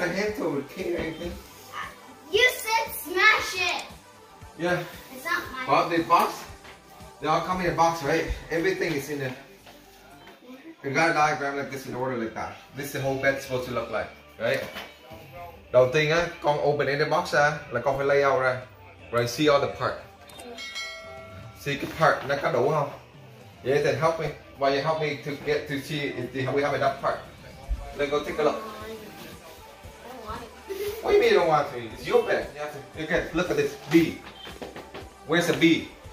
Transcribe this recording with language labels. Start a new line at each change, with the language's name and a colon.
English: You got a hand to repair anything. You said smash it. Yeah. It's not mine. Well, the box, they all come in a box, right? Everything is in there. You got a diagram like this in order like that. This is the whole bed supposed to look like, right?
Vietnamese: Đầu tiên á, con
English: open in the box
Vietnamese: ra là con phải layout ra. Rồi
English: see all the part.
Vietnamese: See cái part nó có đủ không?
English: Yeah, then help me. Why you help me to get to see if the, we have enough part? Let's go take a look. I don't want it. What do you mean you don't want to? It's your bed. You have to, okay, look at this B. Where's the B?